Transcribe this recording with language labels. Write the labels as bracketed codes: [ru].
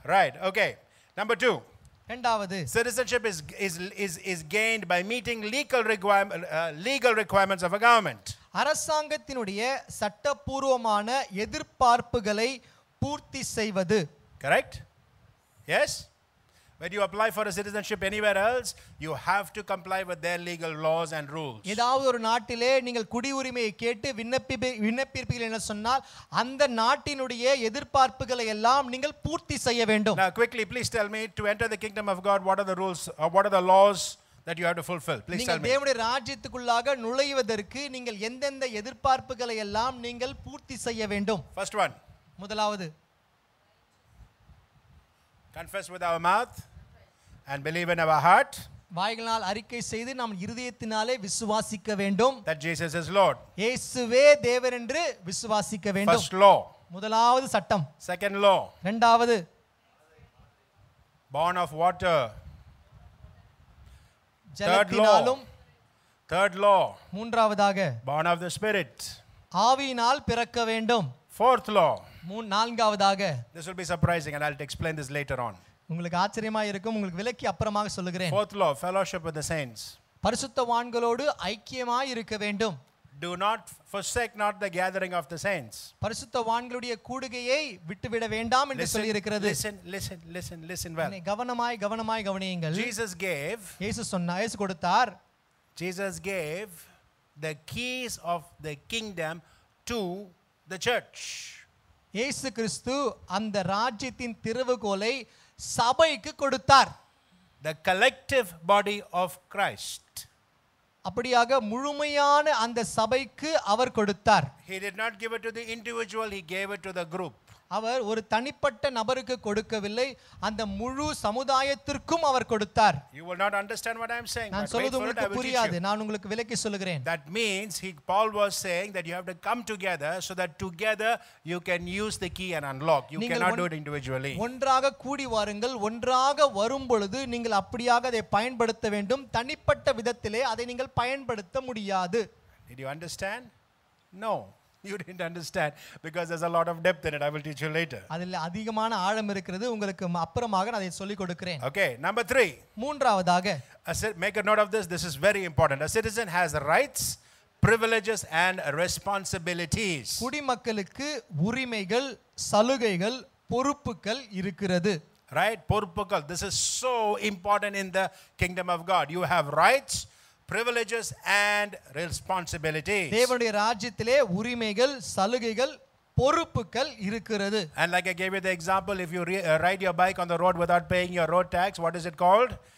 [en] Right. Okay. Number 2. [ta] இரண்டாவது. [en] Citizenship is gained by meeting legal requirements of a government. [ta] அரசாங்கத்தினுடைய சட்டபூர்வமான எதிர்பார்ப்புகளை பூர்த்தி செய்வது. [en] Correct? Yes? When you apply for a citizenship anywhere else, you have to comply with their legal laws and rules. [ta] ஏதாவது ஒரு நாட்டிலே நீங்கள் குடியுரிமையை கேட்டு விண்ணப்பிப்பீர்கள் என்று சொன்னால் அந்த நாட்டினுடைய எதிர்பார்ப்புகளை எல்லாம் நீங்கள் பூர்த்தி செய்ய வேண்டும். [en] Now quickly, please tell me, to enter the kingdom of God, what are the rules, what are the laws that you have to fulfill? Please tell me. நீங்கள் [ta] தேவனுடைய ராஜ்யத்துக்குள்ளாக நுழைவதற்கு நீங்கள் எந்தெந்த எதிர்பார்ப்புகளை எல்லாம் நீங்கள் பூர்த்தி செய்ய வேண்டும்? [en] First one. [ta] முதலாவது. [en] Confess with our mouth and believe in our heart. [ta] வாய்களால் அறிக்கை செய்து நாம் இருதயத்தினாலே விசுவாசிக்க வேண்டும். [en] That Jesus is Lord. [ta] இயேசுவே தேவன் என்று விசுவாசிக்க வேண்டும். [en] First law. [ta] முதலாவது சட்டம். [en] Second law. [ta] இரண்டாவது. [en] Born of water. [ta] ஜலத்தினாலும். [en] Third law. [ta] மூன்றாவதாக. [en] Born of the Spirit. [ta] ஆவியினால் பிறக்க வேண்டும். [en] Fourth law. [ta] நான்காவதாக. [en] This will be surprising and I'll explain this later on. [ta] உங்களுக்கு ஆச்சரியமா இருக்கும், உங்களுக்கு விளக்கி அப்புறமாக சொல்லுகிறேன். [en] Fourth law, fellowship with the saints. [ta] பரிசுத்தவான்களோடு ஐக்கியமாய் இருக்க வேண்டும். [en] Do not forsake not the gathering of the saints. [ta] பரிசுத்தவான்களுடைய கூடுகையை விட்டுவிட வேண்டாம் என்று சொல்லி இருக்கிறது. [en] Listen, listen, listen, listen well. [ta] கவனமாய் கவனமாய் கவனியுங்கள். [en] Jesus gave. [ta] இயேசு சொன்னார், இயேசு கொடுத்தார். [en] Jesus gave the keys of the kingdom to the church. [ta] இயேசு கிறிஸ்து அந்த ராஜ்யத்தின் திருவுகோலை சபைக்கு கொடுத்தார். [en] The collective body of Christ. [ta] அப்படியாக முழுமையான அந்த சபைக்கு அவர் கொடுத்தார். [en] He did not give it to the individual, he gave it to the group. [ta] அவர் ஒரு தனிப்பட்ட நபருக்கு கொடுக்கவில்லை, அந்த முழு சமுதாயத்திற்கும் அவர் கொடுத்தார். [en] You will not understand what I am saying. [ta] நான் சொல்வது உங்களுக்கு புரியாது, நான் உங்களுக்கு விளக்கி சொல்கிறேன். [en] That means he Paul was saying that you have to come together so that together you can use the key and unlock. You cannot do it individually. [ta] ஒன்றாக கூடி வாருங்கள், ஒன்றாக வரும் பொழுது நீங்கள் அப்படியாக அதை பயன்படுத்த வேண்டும், தனிப்பட்ட விதத்திலே அதை நீங்கள் பயன்படுத்த முடியாது. [en] Did you understand? No. You didn't understand because there's a lot of depth in it. I will teach you later. [ta] அதில் அதிகமான ஆழம் இருக்கிறது, உங்களுக்கு அப்புறமாக நான் அதை சொல்லி கொடுக்கிறேன். [en] Okay, number 3. [ta] மூன்றாவதாக. [en] Make a note of this. This is very important. A citizen has rights, privileges and responsibilities. [ta] குடிமக்களுக்கு உரிமைகள், சலுகைகள், பொறுப்புகள் இருக்கிறது. Right, பொறுப்புகள். [en] This is so important in the kingdom of God. You have rights, privileges and responsibilities. [ta] தேவனுடைய ராஜ்யத்திலே உரிமைகள், சலுகைகள், பொறுப்புகள் இருக்கிறது. [en] And like I gave you the example, if you ride your bike on the road without paying your road tax, what is it called?